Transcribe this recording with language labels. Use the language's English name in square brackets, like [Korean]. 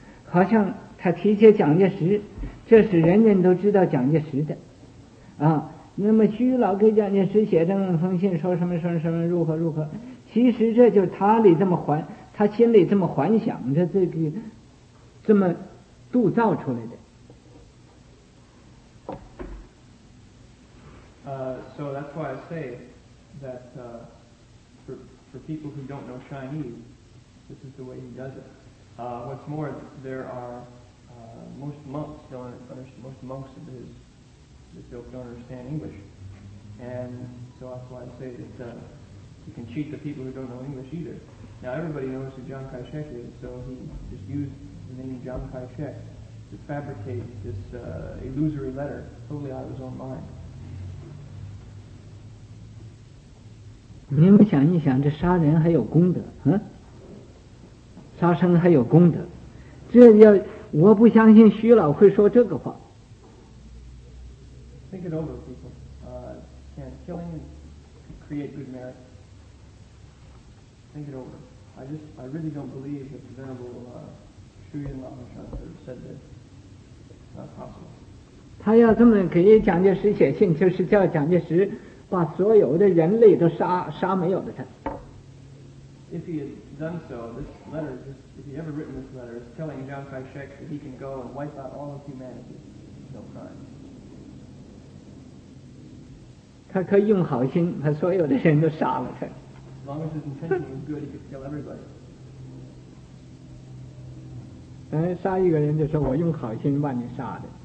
[Chinese] 好像他提起蒋介石，这是人人都知道蒋介石的啊。那么徐老给蒋介石写这封信说什么什么什么如何如何，其实这就是他心里这么幻想着，这个这么铸造出来的。 [English] So that's why I say that for people who don't know Chinese, this is the way he does it. What's more, there are most monks of his. They still don't understand English. And so that's why I say that you can cheat the people who don't know English either. Now everybody knows who Chiang Kai-shek is, so he just used the name Chiang Kai-shek to fabricate this illusory letter totally out of his own mind. [Chinese] 你们想一想，这杀人还有功德，杀生还有功德，这要我不相信徐老会说这个话。 [English] Think it over, people. Can killing create good merit? Think it over. I really don't believe that the Venerable Shu Yun Lama Shantar said this. Not possible. [Chinese] 他要这么给蒋介石写信，就是叫蒋介石把所有的人类都杀没有的他。 [English] If he had done so, this letter, if he ever written this letter, is telling Chiang Kai-shek that he can go and wipe out all of humanity. No crime. [Chinese] 他可以用好心把所有的人都杀了他。杀一个人就说我用好心把你杀的。